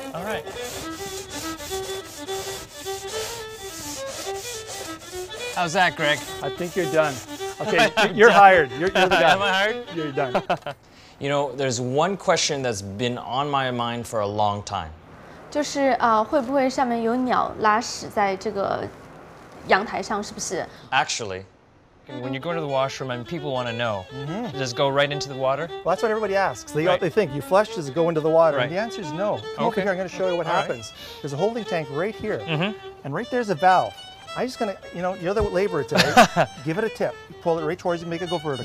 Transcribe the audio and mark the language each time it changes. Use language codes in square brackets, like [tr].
[en] All right. How's that, Greg? I think you're done. Okay, you're done. Hired. You're the guy. Am I hired? You're done. You know, there's one question that's been on my mind for a long time. [zh] 就是会不会上面有鸟拉屎在这个阳台上，是不是？ [en] Actually. When you go to the washroom, I mean, people want to know, does it go right into the water? Well, that's what everybody asks. They, they think, you flush, does it go into the water? Right. And the answer is no. Come okay. over here, I'm going to show you what All happens. Right. There's a holding tank right here, mm-hmm. and right there's a valve. I'm just going to, you know, you're the laborer today, give it a tip. Pull it right towards you and make it go vertical.